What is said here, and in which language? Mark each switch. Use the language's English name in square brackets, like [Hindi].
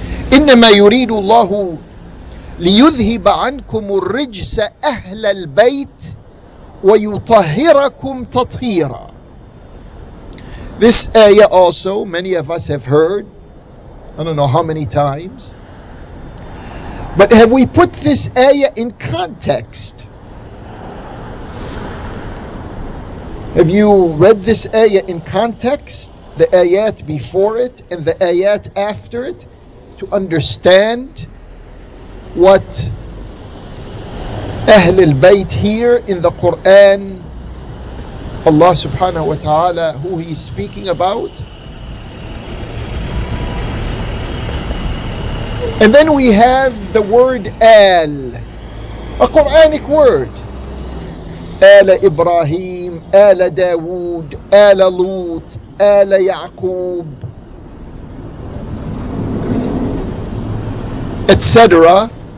[Arabic] إنما يريد الله ليذهب عنكم الرجس أهل البيت ويطهركم تطهيرا. [English] This ayah also, many of us have heard, I don't know how many times, but have we put this ayah in context? Have you read this ayah in context? The ayat before it and the ayat after it, to understand what Ahl al-Bayt here in the Quran, Allah subhanahu wa ta'ala, who he's speaking about. And then we have the word al, a Quranic word. [Arabic] آل إبراهيم، آل داود، آل لوط، آل يعقوب، etc.